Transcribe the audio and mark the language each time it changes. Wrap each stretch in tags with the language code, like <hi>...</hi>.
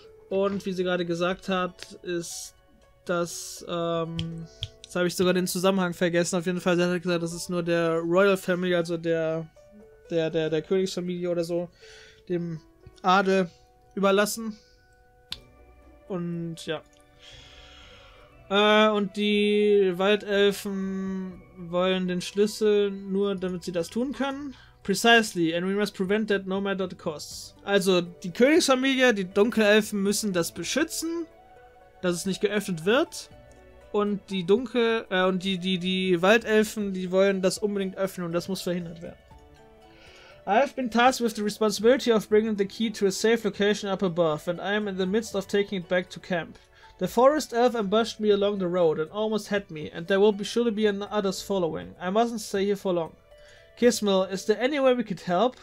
<de>Und wie sie gerade gesagt hat, ist das, jetzt habe ich sogar den Zusammenhang vergessen, auf jeden Fall, sie hat gesagt, das ist nur der Royal Family, also der Königsfamilie oder so, dem Adel überlassen. Und ja. Und die Waldelfen wollen den Schlüssel nur, damit sie das tun können.</de> <en>Precisely, and we must prevent that no matter the costs.</en> <de>Also, die Königsfamilie, die Dunkelelfen müssen das beschützen, dass es nicht geöffnet wird. Und die die Waldelfen, die wollen das unbedingt öffnen und das muss verhindert werden.</de> <en>I have been tasked with the responsibility of bringing the key to a safe location up above, and I am in the midst of taking it back to camp. The forest elf ambushed me along the road and almost had me, and there will surely be others following. I mustn't stay here for long. Kismel, is there any way we could help?</en>